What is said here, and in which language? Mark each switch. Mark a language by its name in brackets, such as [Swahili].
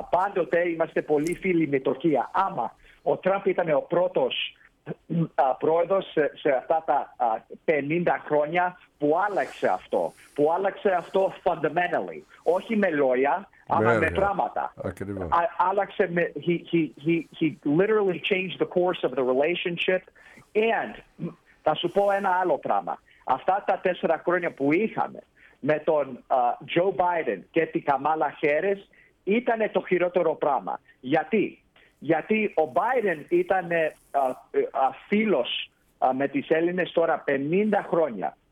[Greek] Πάντοτε είμαστε πολύ φίλοι με Τουρκία. Άμα ο Τραμπ ήταν ο πρώτος πρόεδρος σε αυτά τα 50 χρόνια που άλλαξε αυτό. Που άλλαξε αυτό fundamentally. Όχι με λόγια, αλλά με πράγματα. Άλλαξε με... [English] He literally changed the course of the relationship. And... [Greek] Θα σου πω ένα άλλο πράγμα. Αυτά τα 4 χρόνια που είχαμε με τον Τζο Μπάιντεν και την Καμάλα Χέρις ήταν το χειρότερο πράγμα. Γιατί? Γιατί ο Μπάιντεν ήταν φίλος με τις Έλληνες τώρα 50 χρόνια.